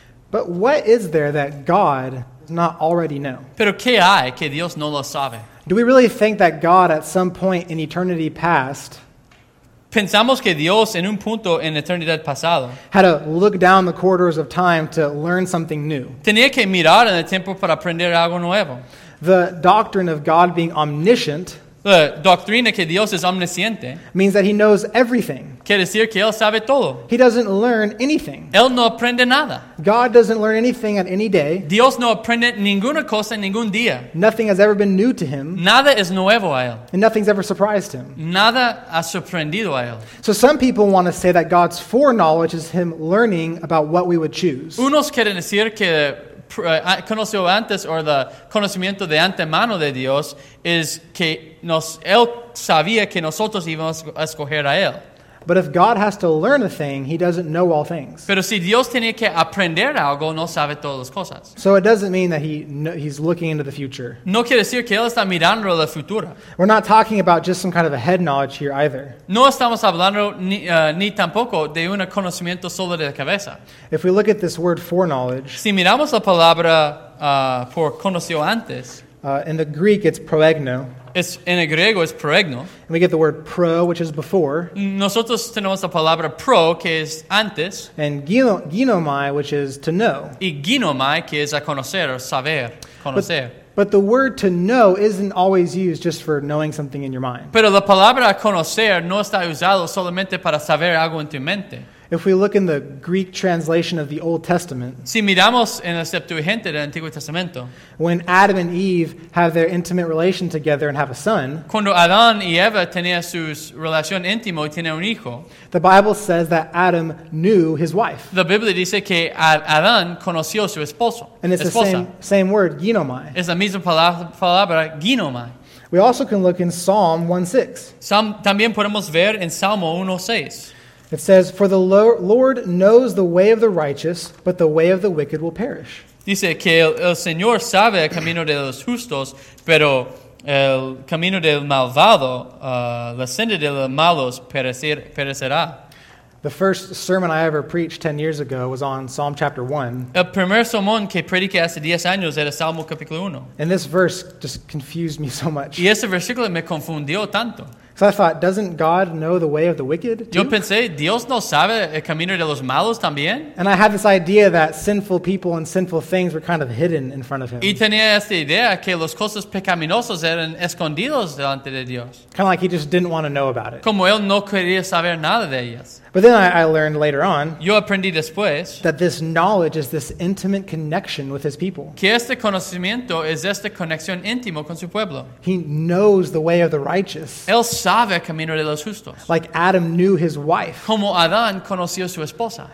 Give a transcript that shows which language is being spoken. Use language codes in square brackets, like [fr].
[en] But what is there that God does not already know? [es] Pero qué hay que Dios no lo sabe? [en] Do we really think that God at some point in eternity past? [es] Pensamos que Dios en un punto en eternidad pasado [en] had to look down the corridors of time to learn something new. [es] Tenía que mirar en el tiempo para aprender algo nuevo. [en] The doctrine of God being omniscient, [es] la doctrina que Dios es omnisciente, [en] means that he knows everything. [es] Quiere decir que él sabe todo. [en] He doesn't learn anything. [es] Él no aprende nada. [en] God doesn't learn anything at any day. [es] Dios no aprende ninguna cosa en ningún día. [en] Nothing has ever been new to him. [es] Nada es nuevo a él. [en] And nothing's ever surprised him. [es] Nada ha sorprendido a él. [en] So some people want to say that God's foreknowledge is him learning about what we would choose. [es] Unos quieren decir que conoció antes o el conocimiento de antemano de Dios es que él sabía que nosotros íbamos a escoger a él. [en] But if God has to learn a thing, he doesn't know all things. [es] Pero si Dios tiene que aprender algo, no sabe todas las cosas. [en] So it doesn't mean that he's looking into the future. [es] No quiere decir que él está mirando la futura. [en] We're not talking about just some kind of a head knowledge here either. [es] No estamos hablando ni tampoco de un conocimiento solo de la cabeza. [en] If we look at this word foreknowledge, [es] si miramos la palabra por conoció antes, [en] in the Greek it's proegno. [es] Es, en el griego es proegno. [en] And we get the word pro, which is before. [es] Nosotros tenemos la palabra pro, que es antes. [en] And ginomai, which is to know. [es] Y ginomai, que es a conocer, saber, conocer. [en] But the word to know isn't always used just for knowing something in your mind. [es] Pero la palabra conocer no está usado solamente para saber algo en tu mente. [en] If we look in the Greek translation of the Old Testament, [es] si miramos en la Septuaginta del Antiguo Testamento, [en] when Adam and Eve have their intimate relation together and have a son, [es] cuando Adán y Eva tenían su relación íntima y tenían un hijo, [en] the Bible says that Adam knew his wife. [es] La Biblia dice que Adán conoció su esposo. [en] And it's [es] esposa. [en] The same word, ginomai. [es] Es la misma palabra, ginomai. [en] We also can look in Psalm 1:6. [es] También podemos ver en Salmo 1:6. [en] It says, "For the Lord knows the way of the righteous, but the way of the wicked will perish." [es] Dice que el Señor sabe el camino de los justos, pero el camino del malvado, la senda de los malos perecerá. [en] The first sermon I ever preached 10 years ago was on Psalm chapter 1. [es] El primer sermón que prediqué hace 10 años era Salmo capítulo 1. [en] And this verse just confused me so much. [es] Y ese versículo me confundió tanto. [en] So I thought, doesn't God know the way of the wicked too? [es] Yo pensé, ¿Dios no sabe el camino de los malos también? [en] And I had this idea that sinful people and sinful things were kind of hidden in front of him. [es] Y tenía esta idea que los cosas pecaminosas eran escondidos delante de Dios. [en] Kind of like he just didn't want to know about it. [es] Como él no quería saber nada de ellas. [en] But then I learned later on, [es] yo aprendí después, [en] that this knowledge is this intimate connection with his people. [es] Que este conocimiento es esta conexión íntima con su pueblo. [en] He knows the way of the righteous. [es] Él sabe el camino de los justos. [en] Like Adam knew his wife. [es] Como Adán conoció su esposa.